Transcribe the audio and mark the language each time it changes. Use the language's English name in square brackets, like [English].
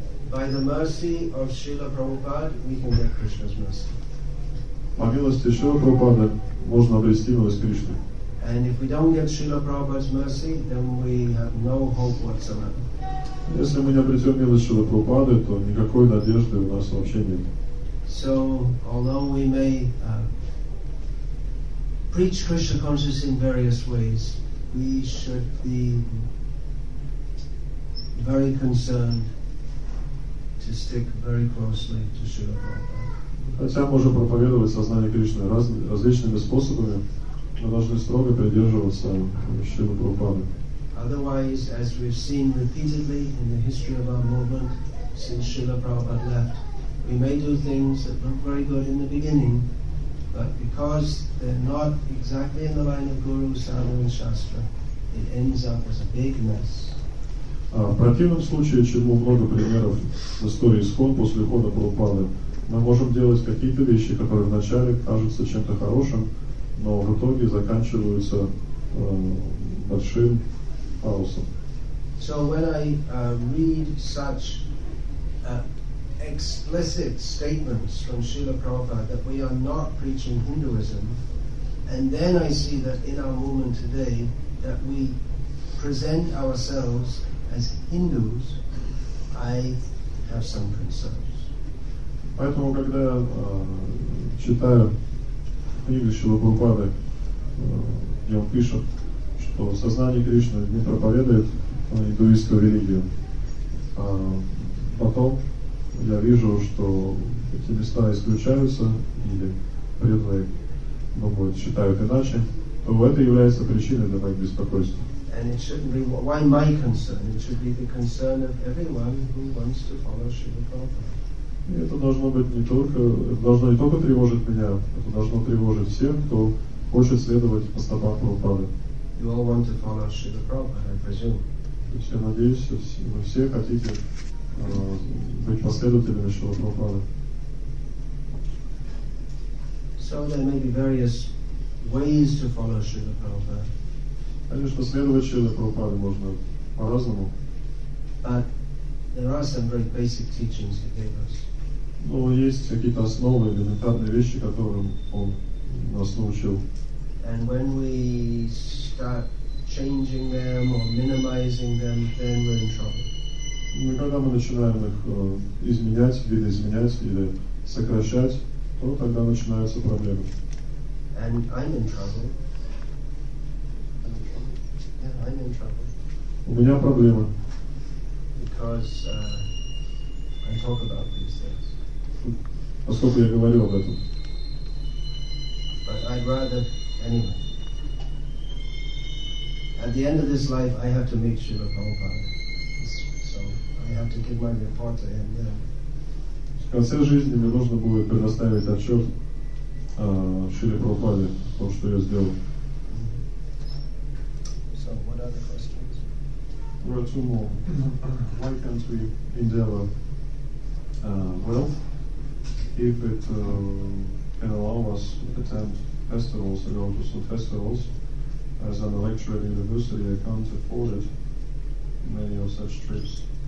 [English] By the mercy of Srila Prabhupada, we can get Krishna's mercy. [Russian] По милости Шрила Прабхупады можно обрести милость Кришны. [English] And if we don't get Srila Prabhupada's mercy, then we have no hope whatsoever. [Russian] Если мы не обретем милость Шрила Прабхупады, то никакой надежды у нас вообще нет. [English] So, although we may preach Krishna consciousness in various ways, we should be very concerned to stick very closely to Srila Prabhupada. [Russian] Хотя мы можем проповедовать сознание Кришны различными способами, мы должны строго придерживаться Шрилы Прабхупады. [English] Otherwise, as we've seen repeatedly in the history of our movement since Srila Prabhupada left, we may do things that look very good in the beginning, but because they're not exactly in the line of Guru, Sadhu and Shastra, it ends up as a big mess. [Russian] В противном случае, чему много примеров в истории Искон после ухода Прабхупады, мы можем делать какие-то вещи, которые вначале кажутся чем-то хорошим, но в итоге заканчиваются большим хаосом. [English] So when I read such explicit statements from Srila Prabhupada that we are not preaching Hinduism, and then I see that in our movement today that we present ourselves as Hindus, I have some concern. [Russian] Поэтому, когда я читаю книгу Шрилы Прабхупады, где он пишет, что сознание Кришны не проповедует индуистскую религию, а потом я вижу, что эти места исключаются, или преданные думают, считают иначе, то это является причиной для моих беспокойств. [English] And it shouldn't be why my concern, it should be the concern of everyone who wants to follow Shiva Prabhupada. [Russian] И это должно быть не только, это должно не только тревожить меня, это должно тревожить всех, кто хочет следовать по стопам Прабхупады. [English] You all want to follow Srila Prabhupada, I presume. [Russian] То есть я надеюсь, вы все хотите быть последователями Шрилы Прабхупады. [English] So there may be various ways to follow Srila Prabhupada. [Russian] Конечно, следовать Шриле Прабхупаде можно по-разному. [English] But there are some very basic teachings he gave us. [Russian] Но есть какие-то основы, элементарные вещи, которым он нас научил. [English] And when we start changing them or minimizing them, then we're in trouble. [Russian] Когда мы начинаем их изменять, видоизменять или сокращать, то тогда начинаются проблемы. [English] And I'm in trouble. Yeah, I'm in trouble. [Russian] У меня проблемы. [English] Because I talk about these things. [Russian] Поскольку я говорю об этом. [English] But I'd rather, anyway. At the end of this life, I have to meet Srila Prabhupada. So I have to give my report to him, yeah. [Russian] В конце жизни мне нужно будет предоставить отчет Шриле Прабхупаде, то, что я сделал. [English] So what are the questions? There are two more. Why can't we endeavor wealth? If it can allow us to attend festivals and go to some festivals, as I'm a lecturer at the university, I can't afford it, many of such trips.